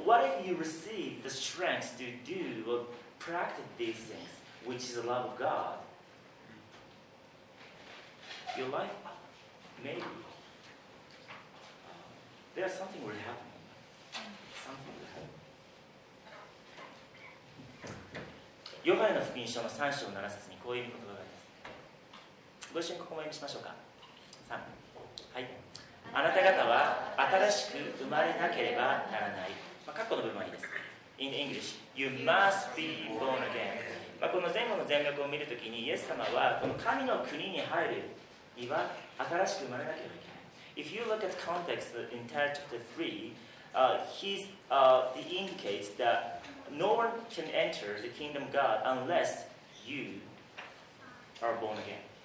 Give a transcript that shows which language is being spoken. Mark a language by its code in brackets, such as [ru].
[en] What if you receive the strength to do or practice these things? Which is the love of God, your life, maybe, there's something will happen. Something will happen. [ja] ヨハネの福音書の3章7節にこういう言葉があります。ご一緒にここも読みしましょうか。 3。 はい。あなた方は新しく生まれなければならない。まあ、カッコの部分はいいです。 [en] In English, you must be born again. [ja] まあ、この前後の全略を見るときに、イエス様はこの神の国に入るには新しく生まれなければいけない。 [en] If you look at context in chapter 3, he indicates that no one can enter the kingdom of God unless you are born again.